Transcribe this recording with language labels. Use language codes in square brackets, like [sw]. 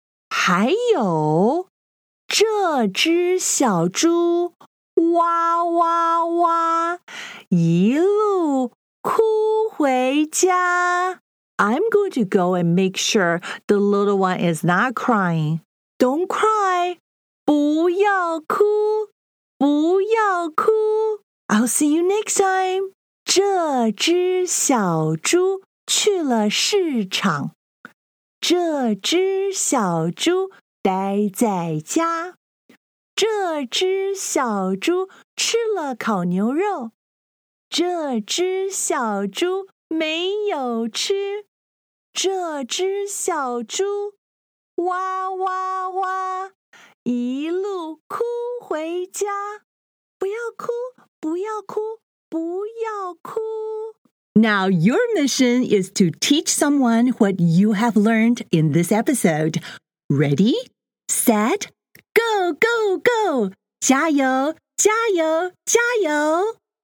[zh] 还有，这只小猪哇哇哇，一路哭回家。 [en] I'm going to go and make sure the little one is not crying. Don't cry. [zh] 不要哭，不要哭。 [en] I'll see you next time. [zh] 这只小猪去了市场。这只小猪待在家。这只小猪吃了烤牛肉。这只小猪没有吃。这只小猪哇哇哇，一路哭回家。不要哭，不要哭，不要哭。 [en] Now your mission is to teach someone what you have learned in this episode. Ready, set, go, go, go! [zh] 加油，加油，加油！